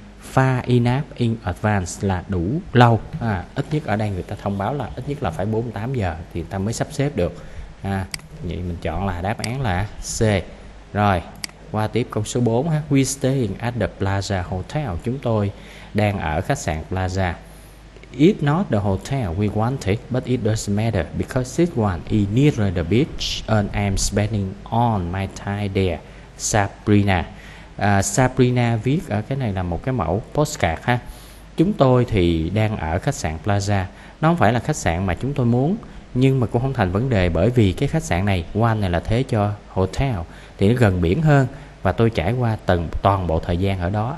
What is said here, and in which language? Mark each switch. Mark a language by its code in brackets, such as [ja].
[en] far enough in advance [vi] là đủ lâu, ít nhất ở đây người ta thông báo là ít nhất là phải 48 giờ thì ta mới sắp xếp được. Vậy mình chọn là đáp án là C. Rồi, qua tiếp câu số 4 ha. [en] We staying at the Plaza Hotel. [vi] Chúng tôi đang ở khách sạn Plaza. [en] It's not the hotel we wanted, but it doesn't matter because this one is nearer the beach and I'm spending all my time there. Sabrina. [vi] Sabrina viết ở cái này là một cái mẫu postcard ha. Chúng tôi thì đang ở khách sạn Plaza. Nó không phải là khách sạn mà chúng tôi muốn, nhưng mà cũng không thành vấn đề bởi vì cái khách sạn này, one này là thế cho hotel, thì nó gần biển hơn và tôi trải qua toàn bộ thời gian ở đó.